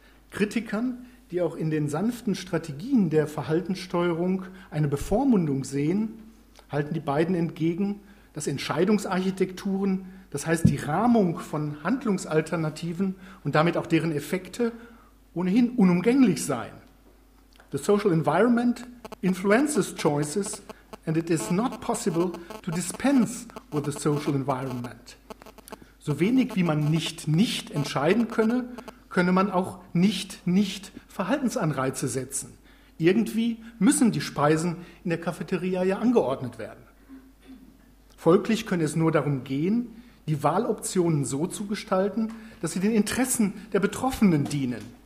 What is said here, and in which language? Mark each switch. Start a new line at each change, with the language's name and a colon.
German: Kritikern, die auch in den sanften Strategien der Verhaltenssteuerung eine Bevormundung sehen, halten die beiden entgegen, dass Entscheidungsarchitekturen, das heißt die Rahmung von Handlungsalternativen und damit auch deren Effekte, ohnehin unumgänglich seien.
English: The social environment influences choices and it is not possible to dispense with the social environment.
German: So wenig wie man nicht nicht entscheiden könne, könne man auch nicht nicht Verhaltensanreize setzen. Irgendwie müssen die Speisen in der Cafeteria ja angeordnet werden. Folglich könne es nur darum gehen, die Wahloptionen so zu gestalten, dass sie den Interessen der Betroffenen dienen.